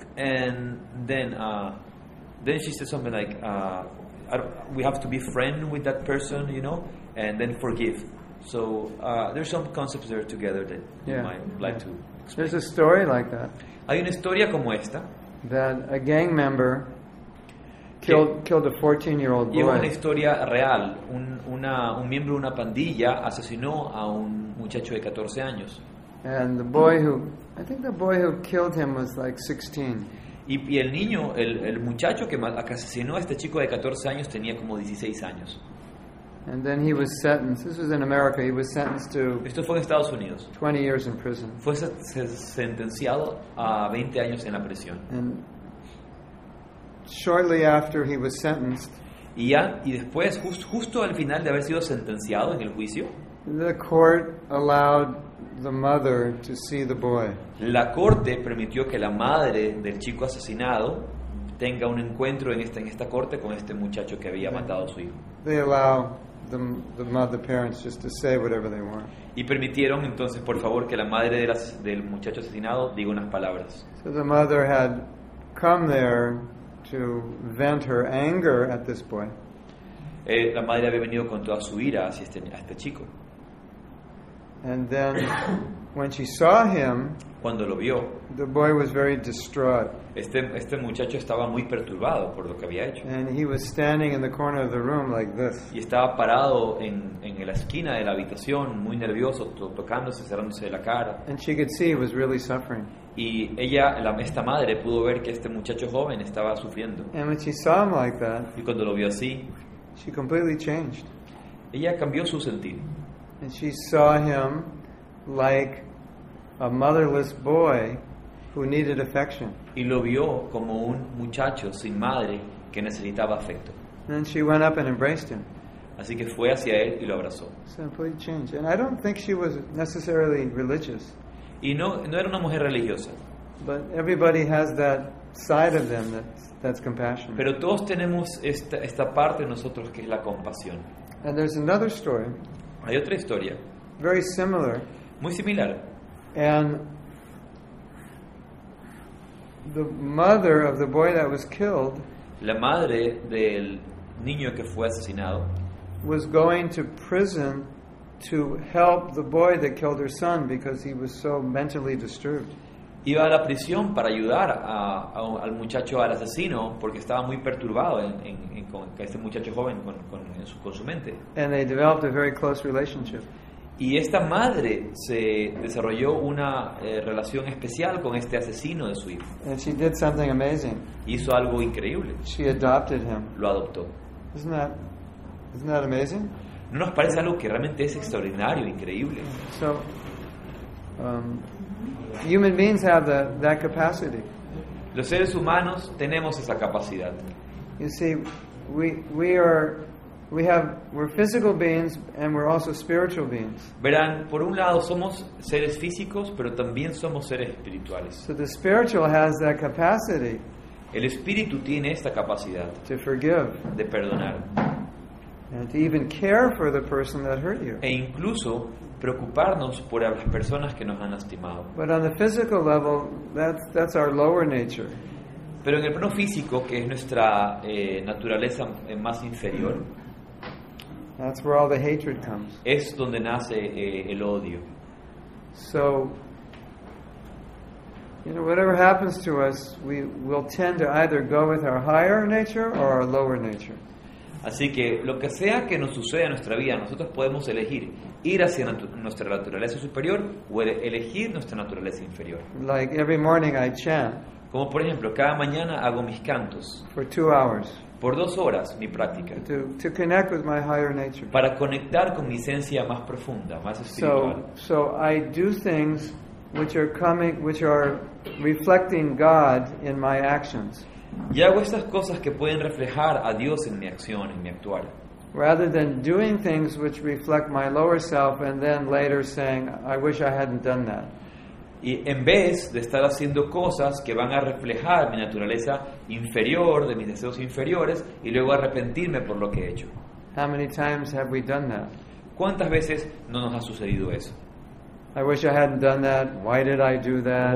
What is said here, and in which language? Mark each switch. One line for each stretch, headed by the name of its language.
English: And then. Then she said something like, we have to be friend with that person, you know, and then forgive. So there's some concepts there together that you might like to explain. There's a story like that.
Spanish: Hay una historia como esta.
English: That a gang member killed a 14-year-old boy.
Spanish: Y una historia real. Un miembro de una pandilla asesinó a un muchacho de 14 años.
English: And the boy who, I think the boy who killed him was like 16.
Spanish: Y el niño, el muchacho que asesinó a este chico de 14 años tenía como 16 años.
English: And then he was sentenced. This was in America. He was sentenced to.
Spanish: Esto fue en Estados Unidos.
English: 20 years in prison.
Spanish: Fue sentenciado a 20 años en la prisión.
English: And shortly after he was sentenced.
Spanish: y después justo al final de haber sido sentenciado en el juicio,
English: the court allowed the mother to see the boy.
Spanish: La corte permitió que la madre del chico asesinado tenga un encuentro en esta corte con este muchacho que había matado a su hijo.
English: They allow the mother parents just to say whatever they want.
Spanish: Y permitieron entonces, por favor, que la madre del muchacho asesinado diga unas palabras.
English: So the mother had come there to vent her anger at this boy.
Spanish: La madre había venido con toda su ira hacia este chico.
English: And then when she saw him,
Spanish: cuando lo vio,
English: the boy was very distraught.
Spanish: Este muchacho estaba muy perturbado por lo que había hecho.
English: And he was standing in the corner of the room like this.
Spanish: Y estaba parado en la esquina de la habitación, muy nervioso, tocándose, cerrándose la cara.
English: And she could see he was really suffering.
Spanish: Y ella, esta madre, pudo ver que este muchacho joven estaba sufriendo.
English: And when she saw him like that,
Spanish: y cuando lo vio así,
English: she completely changed.
Spanish: Ella cambió su sentido.
English: And she saw him like a motherless boy who needed affection.
Spanish: Y lo vio como un muchacho sin madre que necesitaba afecto.
English: Then she went up and embraced him.
Spanish: Así que fue hacia él y lo abrazó.
English: Simply changed. And I don't think she was necessarily religious.
Spanish: Y no era una mujer religiosa.
English: But everybody has that side of them that's compassion.
Spanish: Pero todos tenemos esta parte de nosotros que es la compasión.
English: And there's another story.
Spanish: Hay otra historia.
English: Very similar.
Spanish: Muy similar.
English: And the mother of the boy that was killed,
Spanish: la madre del niño que fue asesinado,
English: was going to prison to help the boy that killed her son because he was so mentally disturbed.
Spanish: Iba a la prisión para ayudar al muchacho, al asesino, porque estaba muy perturbado con este muchacho joven con su mente.
English: And they developed a very close relationship.
Spanish: Y esta madre se desarrolló una relación especial con este asesino de su hijo.
English: And she did something amazing.
Spanish: Hizo algo increíble.
English: She adopted him.
Spanish: Lo adoptó.
English: Isn't that amazing?
Spanish: ¿No nos parece algo que realmente es extraordinario, increíble?
English: So, human beings have that capacity.
Spanish: Los seres humanos tenemos esa capacidad.
English: You see, we're physical beings and we're also spiritual beings.
Spanish: Verán, por un lado somos seres físicos, pero también somos seres espirituales.
English: So the spiritual has that capacity.
Spanish: El espíritu tiene esta capacidad.
English: To forgive.
Spanish: De perdonar.
English: And to even care for the person that hurt you.
Spanish: E incluso preocuparnos por las personas que nos han lastimado.
English: But on the physical level, that's our lower nature.
Spanish: Pero en el plano físico, que es nuestra naturaleza más inferior,
English: that's where all the hatred comes.
Spanish: Es donde nace el odio.
English: So, you know, whatever happens to us, we will tend to either go with our higher nature or our lower nature.
Spanish: Así que lo que sea que nos suceda en nuestra vida, nosotros podemos elegir ir hacia nuestra naturaleza superior o elegir nuestra naturaleza inferior.
English: Like every morning I chant.
Spanish: Como por ejemplo, cada mañana hago mis cantos.
English: For 2 hours.
Spanish: Por 2 horas, mi práctica.
English: To connect with my higher nature.
Spanish: Para conectar con mi esencia más profunda, más espiritual.
English: So I do things which are reflecting God in my actions.
Spanish: Y hago estas cosas que pueden reflejar a Dios en mi acción, en mi actuar.
English: Rather than doing things which reflect my lower self and then later saying, I wish I hadn't done that.
Spanish: Y en vez de estar haciendo cosas que van a reflejar mi naturaleza inferior, de mis deseos inferiores, y luego arrepentirme por lo que he hecho.
English: How many times have we done that?
Spanish: ¿Cuántas veces no nos ha sucedido eso?
English: I wish I hadn't done that. Why did I do that?